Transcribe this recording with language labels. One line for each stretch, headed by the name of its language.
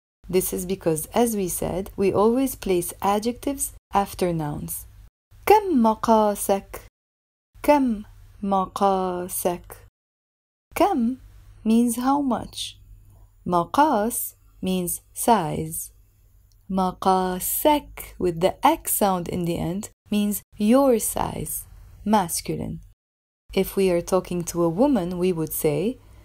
English: This is because, as we said, we always place adjectives after nouns.
Arabic: كم مقاسك؟ كم مقاسك؟ كم
English: means how much. مقاس means size. مقاسك with the X sound in the end means your size, masculine. If we are talking to a woman, we would say